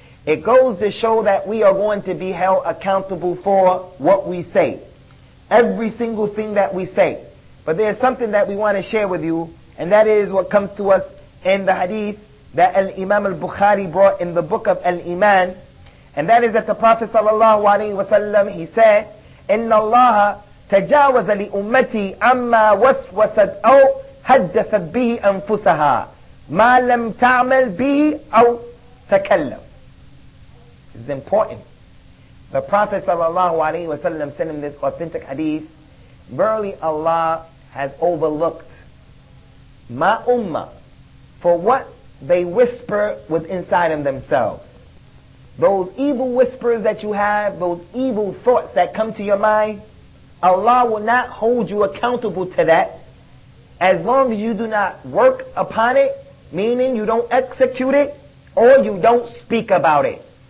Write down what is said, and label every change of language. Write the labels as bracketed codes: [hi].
[en] It goes to show that we are going to be held accountable for what we say. Every single thing that we say. But there is something that we want to share with you, and that is what comes to us in the hadith that Al-Imam Al-Bukhari brought in the book of Al-Iman. And that is that the Prophet sallallahu alayhi wa sallam, he said, [ar] إِنَّ اللَّهَ تَجَاوَزَ لِأُمَّتِي عَمَّا وَسْوَسَتْ أَوْ هَدَّثَتْ بِهِ أَنفُسَهَا مَا لَمْ تَعْمَلْ بِهِ أَوْ تَكَلَّمْ. [en] It's important. The Prophet sallallahu alayhi wa sallam sent him this authentic hadith. Verily Allah has overlooked ma ummah for what they whisper with inside of themselves. Those evil whispers that you have, those evil thoughts that come to your mind, Allah will not hold you accountable to that as long as you do not work upon it, meaning you don't execute it or you don't speak about it.